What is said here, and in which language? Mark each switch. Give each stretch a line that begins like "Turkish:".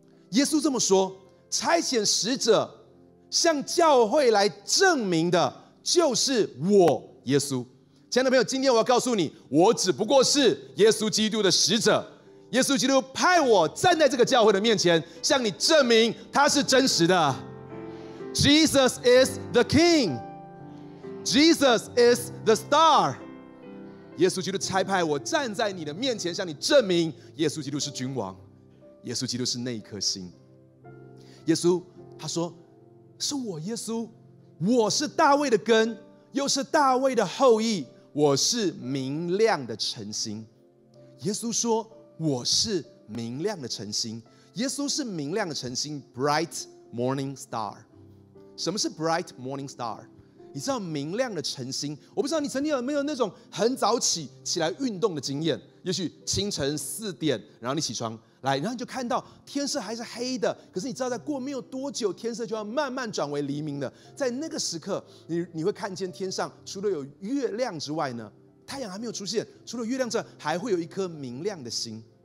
Chinese: 耶稣这么说，差遣使者向教会来证明的，就是我耶稣。亲爱的朋友，今天我要告诉你，我只不过是耶稣基督的使者，耶稣基督派我站在这个教会的面前向你证明他是真实的。
English: Jesus is the KingJesus is the star.
Chinese: 耶稣基督差派我站在你的面前向你证明耶稣基督是君王，耶稣基督是那一颗心。耶稣他说，是我耶稣，我是大卫的根，又是大卫的后裔，我是明亮的晨星。耶稣说，我是明亮的晨星。耶稣是明亮的晨星，
English: Bright morning star.
Chinese: 什么是
English: bright morning star?
Chinese: 你知道明亮的晨星，我不知道你曾经有没有那种很早起来运动的经验，也许清晨四点然后你起床来，然后你就看到天色还是黑的，可是你知道在过没有多久天色就要慢慢转为黎明了。在那个时刻 你会看见天上除了有月亮之外呢，太阳还没有出现，除了月亮之外还会有一颗明亮的星。